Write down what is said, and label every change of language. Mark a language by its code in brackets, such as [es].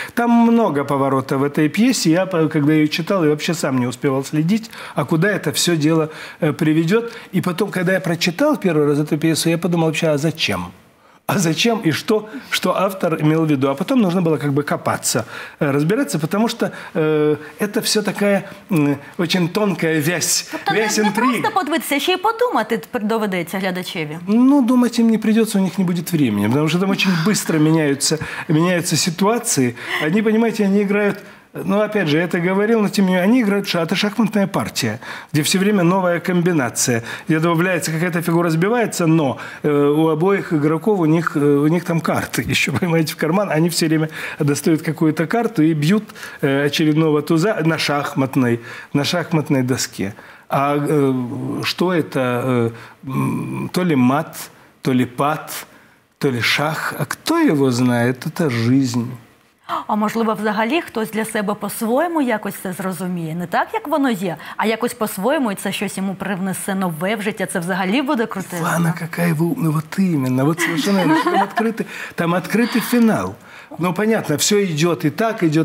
[ru] Там много поворотов в этой пьесе. Я, когда ее читал, и вообще сам не успевал следить, а куда это все дело приведет. И потом, когда я прочитал первый раз эту пьесу, я подумал вообще, а зачем? а зачем и что, что автор имел в виду. А потом нужно было как бы копаться, разбираться, потому что это все такая очень тонкая вязь, [uk] тобто [ru] вязь интриги. [uk] Не просто подивитися, ще й подумати доведеться глядачеві. [ru] Ну, думать им не придется, у них не будет времени, потому что там очень быстро меняются ситуации. Они, понимаете, они играют... Ну, опять же, я это говорил, но тем не менее, они играют шахматы, это шахматная партия, где все время новая комбинация, где добавляется какая-то фигура, сбивается, но у обоих игроков, у них там карты еще, понимаете, в карман, они все время достают какую-то карту и бьют очередного туза на шахматной доске. А что это? То ли мат, то ли пат, то ли шах, а кто его знает? Это жизнь. [uk] А можливо, взагалі хтось для себе по-своєму якось це зрозуміє. Не так, як воно є, а якось по-своєму, і це щось йому привнесе нове в життя. Це взагалі буде круто. Івана, яка ви умна, от іменно. От звичайно, там відкритий фінал. [ru] Ну, понятно, все идет и так.